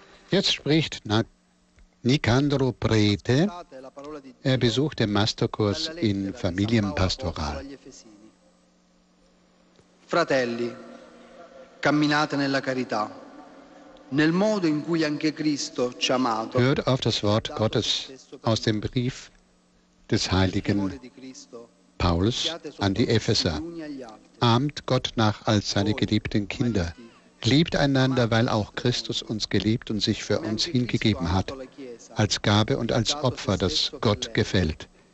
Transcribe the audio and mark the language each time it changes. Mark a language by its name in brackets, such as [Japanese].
[German] Jetzt spricht Nicandro Prete, er besucht den Masterkurs in Familienpastoral. [Italian] Fratelli, camminate nella carità, nel modo in cui anche Cristo ci ha amato. [German] Hört auf das Wort Gottes aus dem Brief des heiligen Paulus an die Epheser. Ahmt Gott nach als seine geliebten Kinder. Liebt einander, weil auch Christus uns geliebt und sich für uns hingegeben hat, als Gabe und als Opfer, das Gott gefällt.